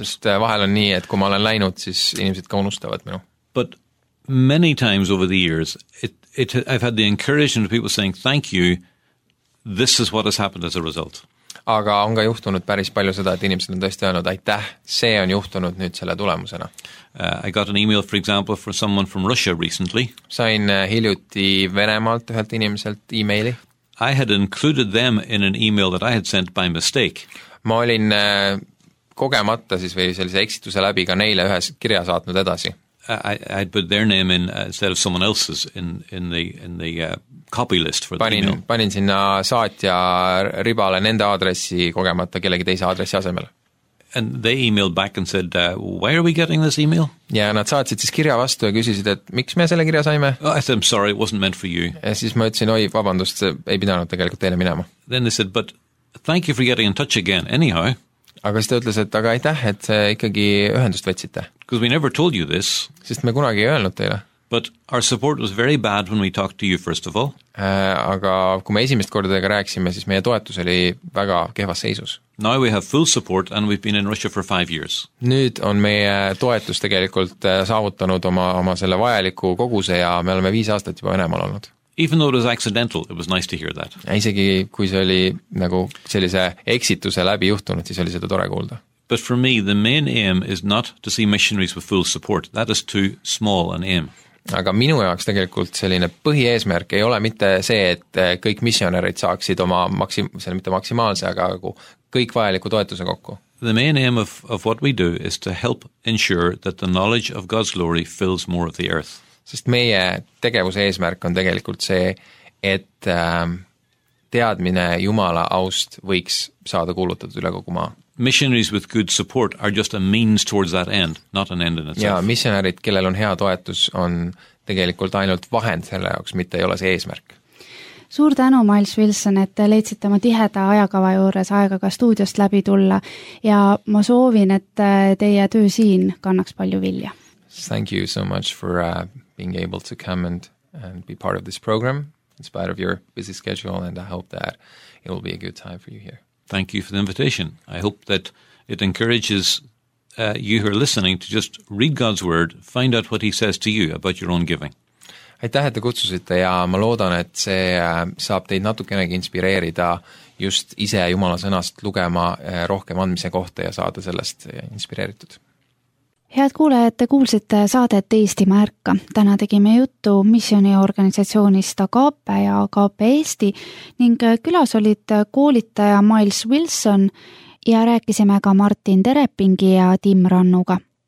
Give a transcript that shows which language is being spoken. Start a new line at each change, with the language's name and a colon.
Estonian: Sest vahel on nii, et kui ma olen läinud, siis inimesed ka unustavad minu.
English: But many times over the years, I've had the encouragement of people saying, thank you, this is what has happened as a result.
Estonian: Aga on ka juhtunud päris palju seda, et inimesed on tõesti öelnud, aitäh, see on juhtunud nüüd selle tulemusena.
English: I got an email, for example, from someone from Russia recently.
Estonian: Sain hiljuti Venemaalt ühelt inimeselt e-maili.
English: I had included them in an email that I had sent by mistake.
Estonian: Ma olin kogemata siis või sellise eksituse läbi ka neile ühes kirja saatnud edasi.
English: I'd put their name in instead of someone else's in the copy list for
Estonian: panin,
English: the email.
Estonian: Panin sinna saatja ribale nende aadressi kogemata kellegi teise aadressi asemel.
English: And they emailed back and said, why are we getting this email?
Estonian: Ja nad saatsid siis kirja vastu ja küsisid, et miks me selle kirja saime?
English: Oh, I said, I'm sorry, it wasn't meant for you.
Estonian: Ja siis ma ütlesin, oi, vabandust, ei pidanud tegelikult teile minema.
English: Then they said, but thank you for getting in touch again, anyhow.
Estonian: Aga siis ta ütles, et aga aitäh, et ikkagi ühendust võtsite.
English: Because we never told you this.
Estonian: Sest me kunagi ei öelnud teile.
English: But our support was very bad when we talked to you, first of all.
Estonian: Aga kui me esimest kordadega rääksime, siis meie toetus oli väga kehvas seisus.
English: Now we have full support and we've been in Russia for 5 years.
Estonian: Nüüd on meie toetus tegelikult saavutanud oma selle vajaliku koguse ja me oleme 5 aastat juba Venemaal olnud.
English: Even though it was accidental, it was nice to hear that.
Estonian: Ja isegi kui see oli nagu sellise eksituse läbi juhtunud, siis oli seda tore kuulda.
English: But for me, the main aim is not to see missionaries with full support. That is too small an aim.
Estonian: Aga minu jaoks tegelikult selline põhieesmärk ei ole mitte see, et kõik missionärid saaksid oma maksimaalse, aga kõik vajaliku toetuse kokku.
English: The main aim of what we do is to help ensure that the knowledge of God's glory fills more of the earth.
Estonian: Sest meie tegevuse eesmärk on tegelikult see, et teadmine Jumala aust võiks saada kuulutatud üle kogu maa.
English: Missionaries with good support are just a means towards that end, not an end in itself.
Estonian: Ja missionärid, kellel on hea toetus, on tegelikult ainult vahend selle jaoks, mitte ei ole see eesmärk. Suur tänu, Miles Wilson, et leidsite oma tiheda ajakava juures aega ka stuudiost läbi tulla ja ma soovin, et teie töö siin kannaks palju vilja.
English: Thank you so much for being able to come and be part of this program in spite of your busy schedule and I hope that it will be a good time for you here. Thank you for the invitation. I hope that it encourages you who are listening to just read God's word, find out what he says to you about your own giving.
Estonian: Aitäh, et te kutsusite ja ma loodan, et see saab teid natukenegi inspireerida just ise Jumala sõnast lugema rohkem andmise kohta ja saada sellest inspireeritud. Head kuulajad, te kuulsite saadet Eestimaa ärka. Täna tegime juttu missiooniorganisatsioonist AKP ja AKP Eesti ning külas olid koolitaja Miles Wilson ja rääkisime ka Martin Terepingi ja Tim Rannuga.